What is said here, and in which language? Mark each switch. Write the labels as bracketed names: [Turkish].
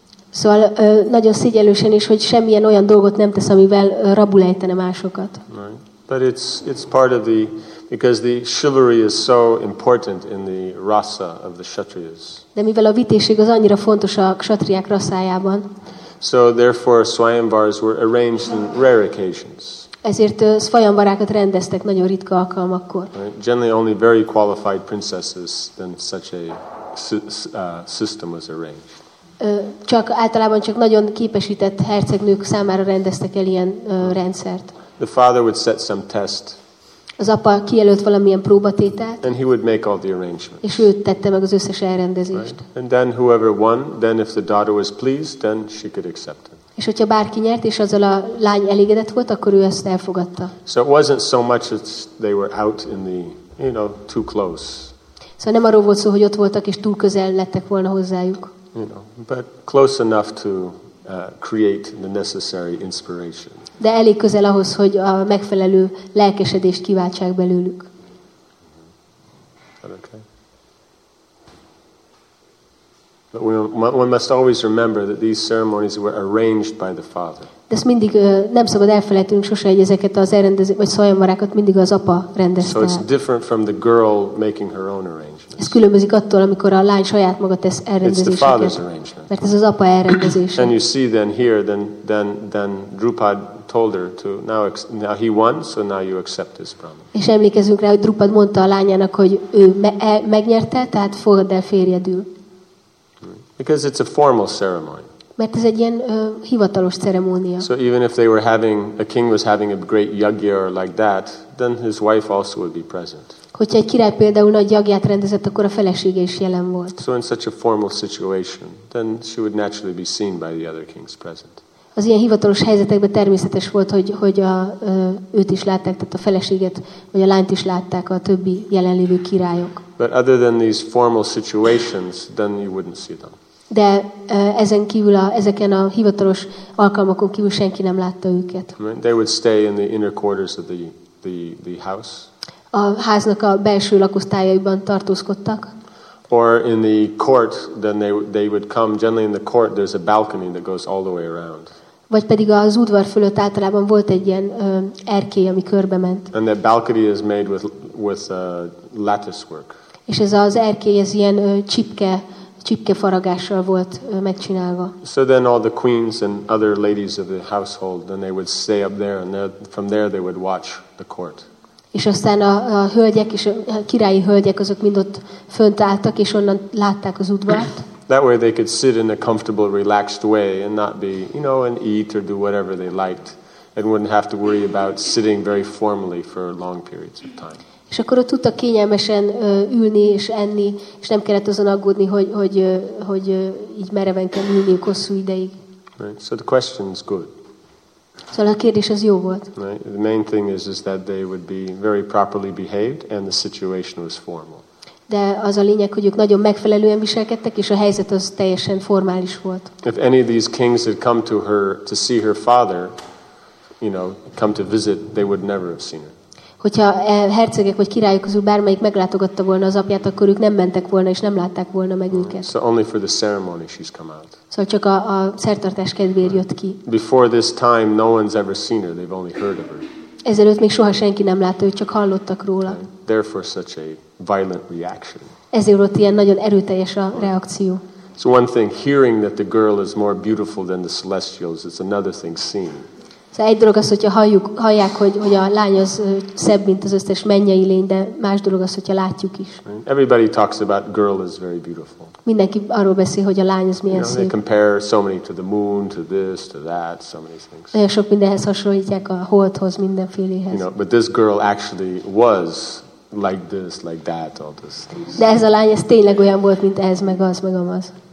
[Hungarian] Szóval nagyon szégyellősen is, hogy semmilyen olyan dolgot nem tesz, amivel rabul ejtene másokat. [English] Right. But it's part of the, because the chivalry is so important in the rasa of the kshatriyas. [Hungarian] De mivel a vitézség az annyira fontos a kshatriyák rasszájában. [English] So therefore swayamvars were arranged in rare occasions. [Hungarian] Ezért svayamvarákat rendeztek nagyon ritka alkalmakkor. [English] Right. Generally only very qualified princesses then such a system was arranged. [Hungarian] Csak általában csak nagyon képesített hercegnők számára rendeztek el ilyen rendszert. [English] The father would set some test. [Hungarian] Az apa kijelölt valamilyen próbatételt. [English] And he would make all the arrangements. [Hungarian] És ő tette meg az összes elrendezést. [English] Right? And then whoever won, then if the daughter was pleased, then she could accept it. [Hungarian] És hogyha bárki nyert és azzal a lány elégedett volt, akkor ő ezt elfogadta. [English] So it wasn't so much as they were out in the, you know, too close. [Hungarian] Szóval nem arról volt szó, hogy ott voltak és túl közel lettek volna hozzájuk. [English] You know, but close enough to create the necessary inspiration. [Hungarian] De elég közel ahhoz, hogy a megfelelő lelkesedést kiváltsák belőlük. [English] Okay. But one must always remember that these ceremonies were arranged by the father. [Hungarian] De ezt mindig nem szabad elfelejtünk sose, hogy ezeket az elrendezést vagy szajamvarákat mindig az apa rendezte. [English] So it's different from the girl making her own arrangements. [Hungarian] Ez különbözik attól, amikor a lány saját maga tesz elrendezéseket. [English] It's the father's arrangement. [Hungarian] Mert ez az apa elrendezése. [English] And you see then here, then Drupad told her to now he won, so now you accept his promise. [Hungarian] És emlékezünk rá, hogy Drupad mondta a lányának, hogy ő megnyerte, tehát fogadd el férjedül. [English] Because it's a formal ceremony. [Hungarian] Mert ez egy ilyen hivatalos ceremónia. [English] So even if they were having a king was having a great yagya or like that, then his wife also would be present. [Hungarian] Hogyha egy király például nagy yagyát rendezett, akkor a felesége is jelen volt. [English] So in such a formal situation, then she would naturally be seen by the other kings present. [Hungarian] Az ilyen hivatalos helyzetekben természetes volt, hogy őt is látták, tehát a feleséget vagy a lányt is látták a többi jelenlévő királyok. [English] But other than these formal situations, then you wouldn't see them. [Hungarian] De ezen kívül ezeken a hivatalos alkalmakon kívül senki nem látta őket. [English] They would stay in the inner quarters of the house. [Hungarian] A háznak a belső lakosztályaiban tartózkodtak. [English] Or in the court, then they would come generally in the court. There's a balcony that goes all the way around. [Hungarian] Vagy pedig az udvar fölött általában volt egy ilyen erkély, ami körbe ment. [English] And that balcony is made with lattice work. [Hungarian] És ez az erkély ez ilyen csipkefaragással volt megcsinálva. [English] So then all the queens and other ladies of the household, then they would stay up there, and from there they would watch the court. [Hungarian] És aztán a hölgyek és a királyi hölgyek azok mind ott fönt álltak és onnan látták az udvart. [English] That way they could sit in a comfortable, relaxed way and not be, you know, and eat or do whatever they liked, and wouldn't have to worry about sitting very formally for long periods of time. [Hungarian] És akkor ott tudtak kényelmesen ülni és enni, és nem kellett azon aggódni, hogy így mereven kell ülni hosszú ideig. [English] Right? So the question is good. [Hungarian] Szóval a kérdés az jó volt. [English] Right? The main thing is that they would be very properly behaved and the situation was formal. [Hungarian] De az a lényeg, hogy ők nagyon megfelelően viselkedtek, és a helyzet az teljesen formális volt. [English] If any of these kings had come to her to see her father, you know, come to visit, they would never have seen her. [Hungarian] Hogyha hercegek vagy királyok közül bármelyik meglátogatta volna az apját, akkor ők nem mentek volna és nem látták volna meg őket. [English] So only for the ceremony she's come out. [Hungarian] Szóval csak a szertartás kedvéért jött ki. [English] Before this time, no one's ever seen her. They've only heard of her. [Hungarian] Ezelőtt még soha senki nem látta, ők csak hallottak róla. [English] Therefore, such a violent reaction. [Hungarian] Ezért volt ilyen nagyon erőteljes a reakció. [English] So one thing, hearing that the girl is more beautiful than the celestials, it's another thing seeing. [Hungarian] De egy dolog az, hogyha hallják, hogy a lány az szebb, mint az összes mennyei lény, de más dolog az, hogyha látjuk is. [English] Everybody talks about girl is very beautiful. [Hungarian] Mindenki arról beszél, hogy a lány az milyen szép. [English] They compare so many to the moon, to this, to that, so many things. [Hungarian] Nagyon sok mindenhez hasonlítják a holdhoz, mindenféléhez. [English] You know, but this girl actually was like this, like that, all this. [Hungarian] De ez a lány, ez tényleg olyan volt, mint ez, meg az, meg amaz.